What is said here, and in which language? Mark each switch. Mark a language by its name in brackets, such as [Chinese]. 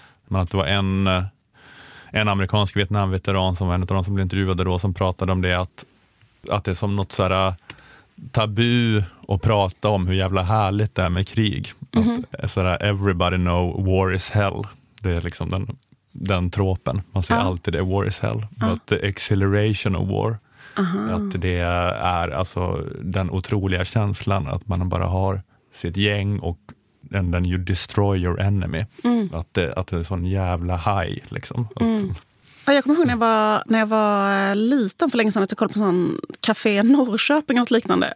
[Swedish] Men att det var en amerikansk Vietnamveteran som var en av de som blev intervjuade då, som pratade om det, att det är som något så här tabu att prata om hur jävla härligt det är med krig. Att så här, [English] everybody know war is hell. [Swedish] Det är liksom den tråpen. Man säger alltid det, [English] war is hell. But the exhilaration of war. Uh-huh. [Swedish] Att det är alltså den otroliga känslan att man bara har sitt gäng och [English] and then you destroy your enemy. Mm. [Swedish] Att det är sån jävla high liksom. Mm. Ja, jag kommer ihåg när jag var liten för länge sedan att jag kollade på sån café Norrköping och liknande.